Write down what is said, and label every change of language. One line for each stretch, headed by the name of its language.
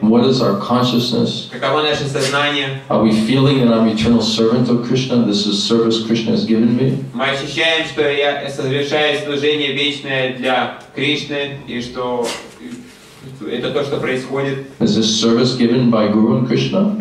English: What is our consciousness?
Russian: Каково наше сознание?
English: Are we feeling that I'm eternal servant of Krishna? This is service Krishna has given me.
Russian: Мы ощущаем, что я совершаю служение вечное для Кришны и что это то, что происходит.
English: Is this service given by Guru and Krishna?